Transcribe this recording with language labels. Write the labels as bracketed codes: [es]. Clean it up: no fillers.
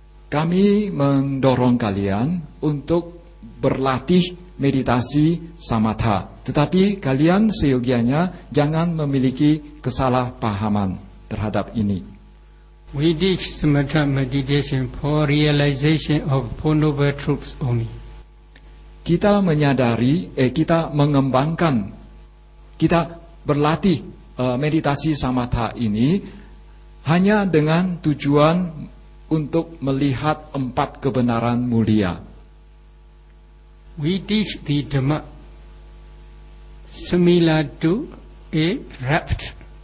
[id] Kami mendorong kalian untuk berlatih meditasi samatha, tetapi kalian seyogianya jangan memiliki kesalahpahaman terhadap ini. [en] We teach samatha meditation for realization of four noble truths only. [id] kita menyadari, kita mengembangkan, kita berlatih meditasi samatha ini hanya dengan tujuan untuk melihat empat kebenaran mulia. [en] We teach the Dhamma similar to a raft.